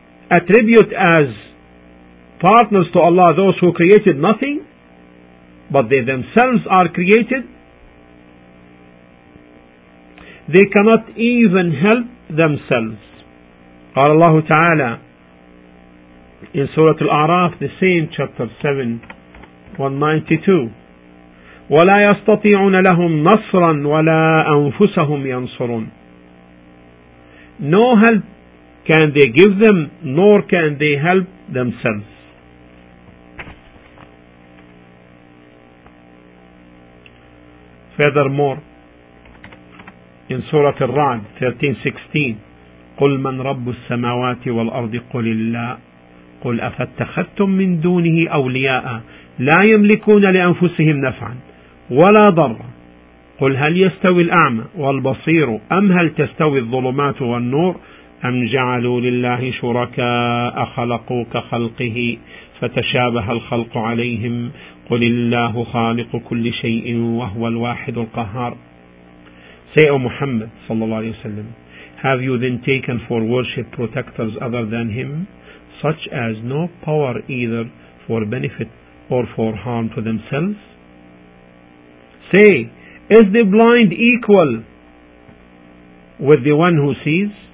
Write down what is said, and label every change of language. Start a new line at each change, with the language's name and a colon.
English: Attribute as partners to Allah those who created nothing, but they themselves are created. They cannot even help themselves.
Arabic: قال الله تعالى
English: in Surah Al-A'raf, the same chapter 7:192.
Arabic: ولا يستطيعون لهم نصرا ولا أنفسهم ينصرون.
English: No help can they give them, nor can they help themselves. Furthermore, in Surah Al-Ra'd 13:16,
Arabic: قل من رب السماوات والأرض قل الله قل أفتخذتم من دونه أولياء لا يملكون لأنفسهم نفعا ولا ضر قل هل يستوي الأعمى والبصير أم هل تستوي الظلمات والنور أم جعلوا لله شركاء خلقوا كخلقه فتشابه الخلق عليهم قل الله خالق كل شيء وهو الواحد القهار.
English: Say, O Muhammad sallallahu alaihi wasallam, have you then taken for worship protectors other than him, such as no power either for benefit or for harm to themselves? Say, is the blind equal with the one who sees?